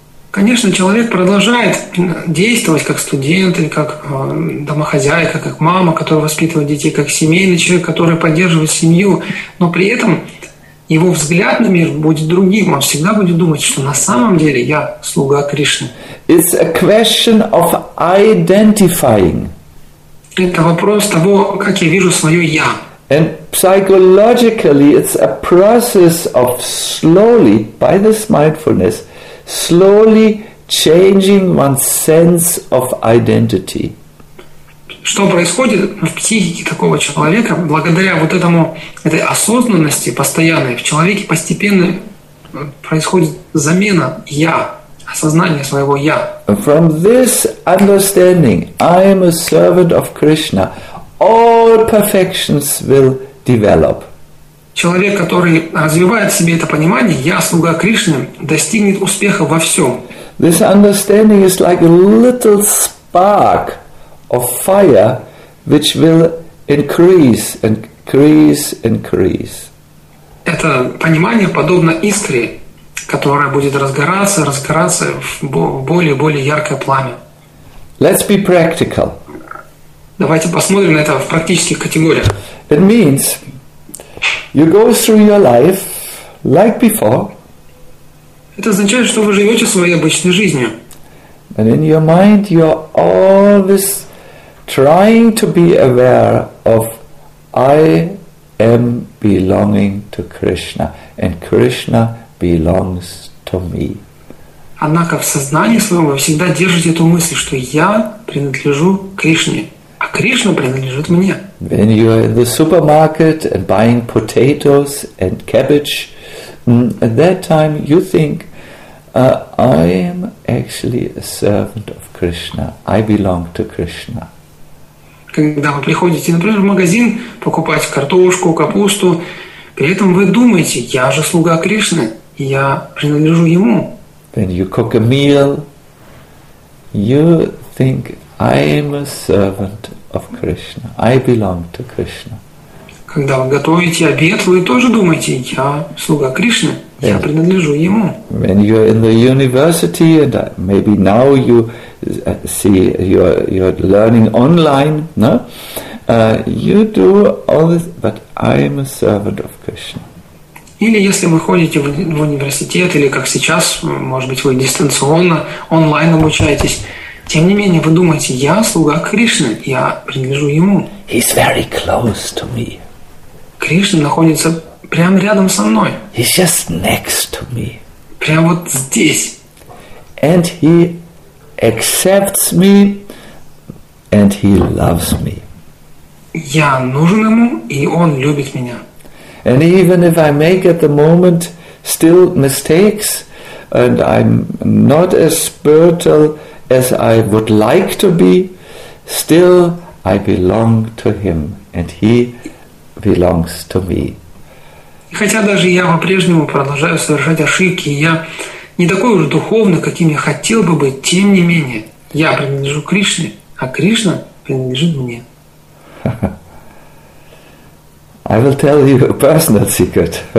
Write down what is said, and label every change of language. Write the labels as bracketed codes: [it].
[ru] Конечно, человек продолжает действовать как студент или как домохозяйка, как мама, которая воспитывает детей, как семейный человек, который поддерживает семью, но при этом его взгляд на мир будет другим. Он всегда будет думать, что на самом деле я слуга Кришны. [en] It's a question of identifying. [ru] Это вопрос того, как я вижу свое я. [en] And psychologically it's a process of slowly by this mindfulness slowly changing one's sense of identity. [ru] Что происходит в психике такого человека, благодаря вот этому, этой осознанности постоянной, в человеке постепенно происходит замена «я», осознание своего «я». [en] From this understanding, I am a servant of Krishna, all perfections will develop. [ru] Человек, который развивает в себе это понимание, я слуга Кришны, достигнет успеха во всем. [en] This understanding is like a little spark of fire, which will increase and increase and increase. [ru] Это понимание подобно искре, которая будет разгораться в более и более яркое пламя. [en] Let's be practical. [ru] Давайте посмотрим на это в практических категориях. [en] It means You go through your life like before. [ru] Это означает, что вы живете своей обычной жизнью. [en] And in your mind you are always trying to be aware of I am belonging to Krishna and Krishna belongs to me. [ru] Однако в сознании своем вы всегда держите эту мысль, что я принадлежу Кришне, а Кришна принадлежит мне. [en] When you are in the supermarket and buying potatoes and cabbage, at that time you think, I am actually a servant of Krishna. I belong to Krishna. [ru] Когда вы приходите, например, в магазин покупать картошку, капусту, при этом вы думаете, я же слуга Кришны, я принадлежу Ему. [en] When you cook a meal, you think, I am a servant of Krishna. I belong to Krishna. [ru] Когда вы готовите обед, вы тоже думаете, я слуга Кришны, я принадлежу Ему. [en] When you are in the university, and maybe now you see you're learning online, no? You do all this, but I am a servant of Krishna. [ru] Или если вы ходите в университет, или как сейчас, может быть, вы дистанционно, онлайн обучаетесь, тем не менее, вы думаете, я слуга Кришны, я принадлежу Ему. [en] He's very close to me. [ru] Кришна находится прямо рядом со мной. [en] He's just next to me. [ru] Прямо вот здесь. [en] And He accepts me, and He loves me. [ru] Я нужен Ему, и Он любит меня. [en] And even if I make at the moment still mistakes, and I'm not as spiritual as I would like to be, still I belong to Him, and He belongs to me. [ru] И хотя даже я по-прежнему продолжаю совершать ошибки, я не такой уже духовный, каким я хотел бы быть, тем не менее, я принадлежу Кришне, а Кришна принадлежит мне. [en] I will tell you a personal secret.